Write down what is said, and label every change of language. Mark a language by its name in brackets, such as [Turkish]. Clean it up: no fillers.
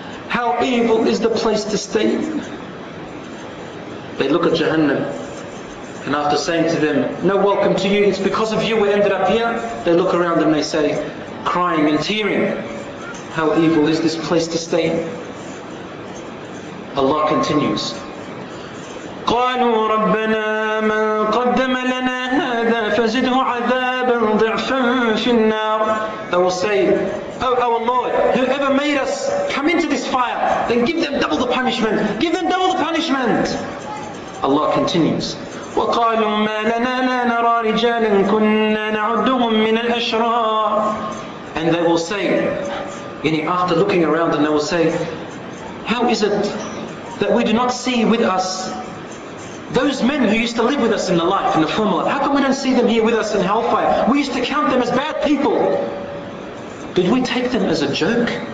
[English] How evil is the place to stay in? They look at Jahannam, and after saying to them, no welcome to you, it's because of you we ended up here, they look around and they say, crying and tearing, how evil is this place to stay in? Allah continues, [Arabic] قالوا ربنا من قدم لنا هذا فزده عذابا ضعفا في النار. [English] They will say, oh our Lord, whoever made us come into this fire, then give them double the punishment. Give them double the punishment. Allah continues, [Arabic] وقالوا ما لنا لا نرى رجالا كنا نعدهم من الأشرار. [English] And they will say, meaning after looking around, and they will say, how is it that we do not see with us those men who used to live with us in the life, in the former life, how come we don't see them here with us in hellfire? We used to count them as bad people. Did we take them as a joke?